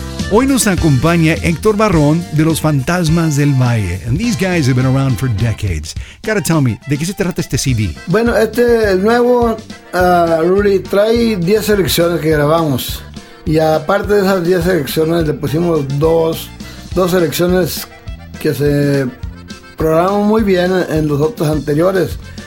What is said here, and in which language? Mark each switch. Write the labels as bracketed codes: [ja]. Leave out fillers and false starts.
[es] Hoy nos acompaña Héctor Barrón de Los Fantasmas del Valle. [en] And these guys have been around for decades. Gotta tell me, [es] ¿de qué se trata este CD? Bueno, este nuevo, Rudy, trae 10 selecciones que grabamos. Y aparte de esas 10 selecciones, le pusimos dos selecciones que se programaron muy bien en los otros anteriores.